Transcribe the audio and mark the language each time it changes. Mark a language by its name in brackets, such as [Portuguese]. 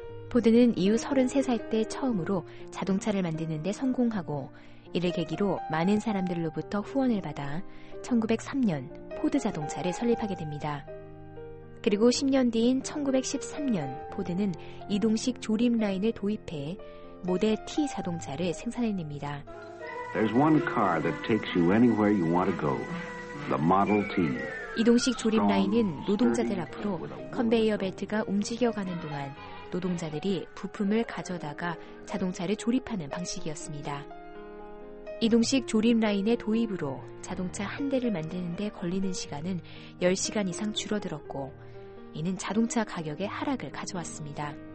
[Korean] 포드는 이후 33살 때 처음으로 자동차를 만드는 데 성공하고 이를 계기로 많은 사람들로부터 후원을 받아 1903년 포드 자동차를 설립하게 됩니다. 그리고 10년 뒤인 1913년 포드는 이동식 조립 라인을 도입해 모델 T 자동차를 생산해냅니다. [English] There's one car that takes you anywhere you want to go. The Model T. [Korean] 이동식 조립 라인은 노동자들 앞으로 컨베이어 벨트가 움직여가는 동안 노동자들이 부품을 가져다가 자동차를 조립하는 방식이었습니다. 이동식 조립 라인의 도입으로 자동차 한 대를 만드는 데 걸리는 시간은 10시간 이상 줄어들었고 이는 자동차 가격의 하락을 가져왔습니다.